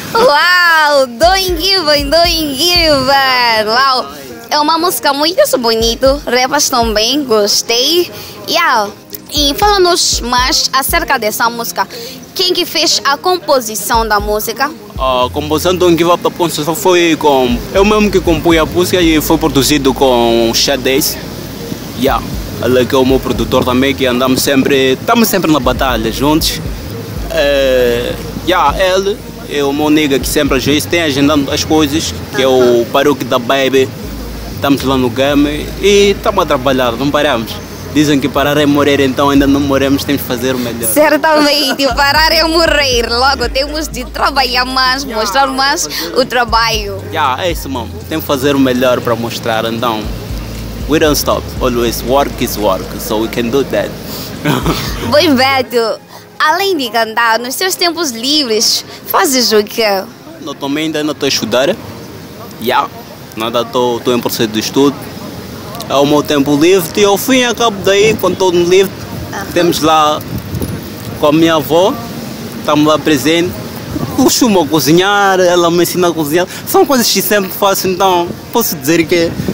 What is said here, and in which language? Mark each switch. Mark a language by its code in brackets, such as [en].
[en] Wow, don't give up, don't give up. Wow. [pt] É uma música muito bonita, repas também, gostei. E fala-nos mais acerca dessa música. Quem que fez a composição da música? A composição do Give Up the Ponce foi com... Eu mesmo que compus a música e foi produzido com o Shades. Ele que é o meu produtor também, que andamos sempre... Estamos sempre na batalha juntos. Ele é o meu nigga que sempre às vezes tem agendando as coisas, que é o Baruque da Baby. Estamos lá no game e estamos a trabalhar, não paramos. Dizem que parar é morrer, então ainda não moremos, temos de fazer o melhor. Certamente, parar é morrer. Logo, temos de trabalhar mais, mostrar mais o trabalho. É isso, mano. Temos de fazer o melhor para mostrar, então... [en] We don't stop. Always work is work, so we can do that. [pt] Boi Beto, além de cantar, nos seus tempos livres, fazes o quê? Eu também ainda não estou a estudar. Nada, estou em processo de estudo. É o meu tempo livre e ao fim acabo daí, quando estou livre, temos lá com a minha avó, estamos lá presente, costumo cozinhar, ela me ensina a cozinhar, são coisas que sempre faço, então posso dizer que